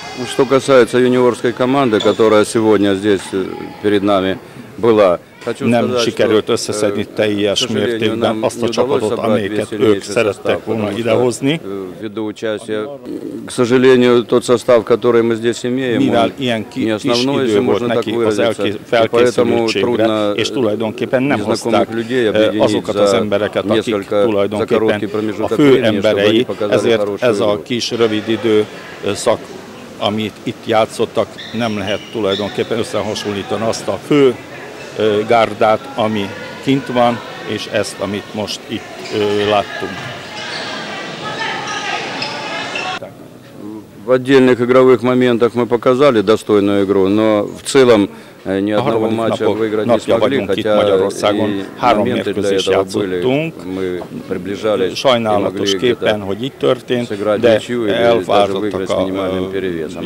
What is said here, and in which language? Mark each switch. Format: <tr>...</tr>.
<ru>Что касается юниорской команды, которая сегодня здесь перед нами была,</ru> <hu>nem sikerült összeszedni teljes mértékben azt a csapatot, amelyeket ők szerettek volna idehozni. Mivel ilyen kis idő volt neki az felkészültségre, és tulajdonképpen nem hozták azokat az embereket, akik tulajdonképpen a fő emberei, ezért ez a kis rövid időszak, amit itt játszottak, nem lehet tulajdonképpen összehasonlítani azt a fő gárdát, ami kint van, és ezt, amit most itt láttunk.</hu> <ru>В отдельных игровых моментах мы показали достойную игру, но в целом ни одного матча выиграть не смогли, хотя и моменты для этого были. Мы приближались и могли где-то сыграть ничью или даже выиграть с минимальным перевесом.</ru>